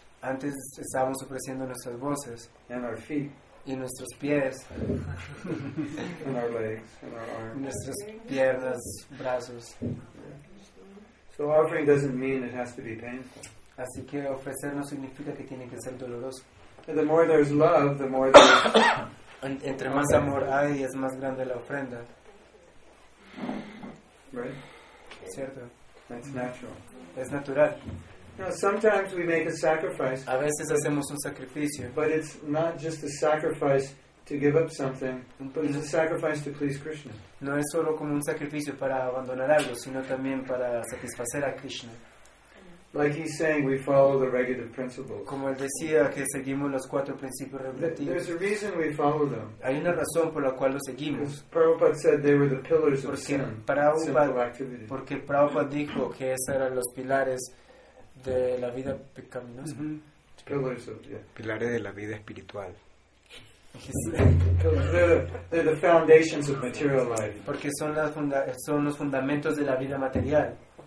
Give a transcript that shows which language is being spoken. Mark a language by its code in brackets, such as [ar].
[es] antes estábamos ofreciendo nuestras voces [en] and our feet. [es] Y nuestros pies [en] and our legs and our arms. [es] Nuestras piernas, brazos. [en] So offering doesn't mean it has to be painful. [es] Así que ofrecer no significa que tiene que ser doloroso. [en] And the more there's love, the more there's [es] entre más amor hay, es más grande la ofrenda. [en] Right? [es] Cierto. [en] That's natural. [es] Es natural. [en] You know, sometimes we make a sacrifice. [es] A veces hacemos un sacrificio. [en] But it's not just a sacrifice to give up something, but it's a sacrifice to please Krishna. [es] No es solo como un sacrificio para abandonar algo, sino también para satisfacer a Krishna. [en] Like he's saying, we follow the regulative principles. [es] Como él decía que seguimos los cuatro principios regulativos. [en] There's a reason we follow them. [es] Hay una razón por la cual los seguimos. [en] Prabhupada said they were the pillars of sin. [es] Porque Prabhupada dijo que esos eran los pilares de la vida pecaminosa. Mm-hmm. [en] Pillars of, yeah. [es] Pilares de la vida espiritual. [en] They're the foundations of material life. [es] Porque son las son los fundamentos de la vida material.